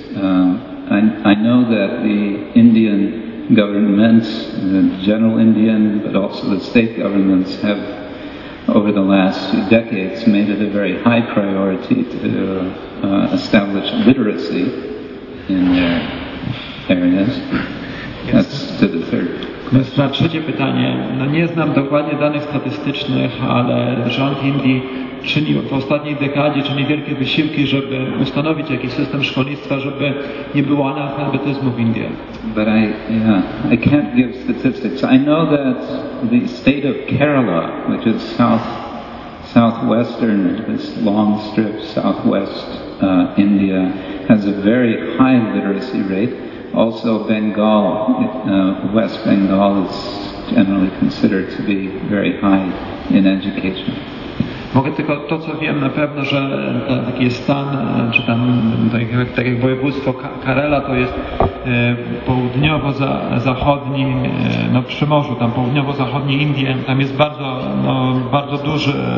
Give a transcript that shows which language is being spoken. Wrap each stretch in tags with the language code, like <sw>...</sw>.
<en>I know that the Indian governments, the general Indian, but also the state governments have over the last few decades made it a very high priority to establish literacy in their areas. That's to the third.</en> <pl>Na trzecie pytanie, no nie znam dokładnie danych statystycznych, ale rząd Indii czynił w ostatniej dekadzie czyni wielkie wysiłki, żeby ustanowić jakiś system szkolnictwa, żeby nie było analfabetyzmu w Indiach.</pl> <en>But I can't give statistics. I know that the state of Kerala, which is southwestern, this long strip southwest India, has a very high literacy rate. Also Bengal, West Bengal is generally considered to be very high in education.</en> <pl>Mogę tylko to, co wiem na pewno, że taki jest stan, czy tam tak jak województwo Kerala to jest południowo-zachodni, no przy morzu, tam południowo-zachodni Indie, tam jest bardzo, no, bardzo duży.</pl>